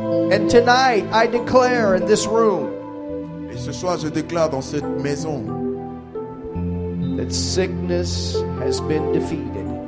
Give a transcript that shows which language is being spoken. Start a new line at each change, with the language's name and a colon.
English: And tonight, I declare in this room.
French: Et ce soir, je déclare dans cette maison.
English: That sickness has been defeated.